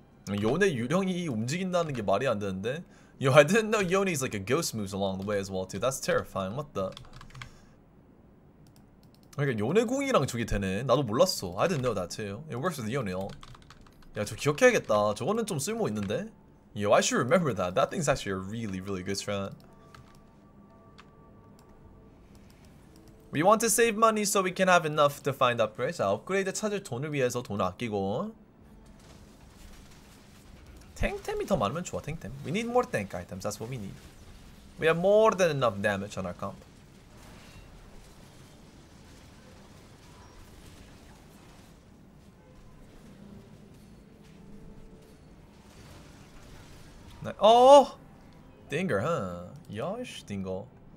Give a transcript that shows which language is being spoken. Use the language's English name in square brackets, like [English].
[Korean] 요네 유령이 움직인다는 게 말이 안 되는데. [English] Yo, I didn't know Yone's like a ghost moves along the way as well too. That's terrifying. What the? [Korean] 그러니까 요네 궁이랑 저게 되네. 나도 몰랐어. [English] I didn't know that too. It works with Yone. [Korean] 야, 저 기억해야겠다. 저거는 좀 쓸모 있는데. [English] Yo, I should remember that. That thing's actually a really, really good strat. We want to save money so we can have enough to find upgrades. [Korean] 자, 업그레이드 찾을 돈을 위해서 돈 아끼고. 탱템이 더 많으면 좋아, 탱템. [English] We need more tank items, that's what we need. We have more than enough damage on our comp. Oh! Dinger, huh? Yosh, Dingle.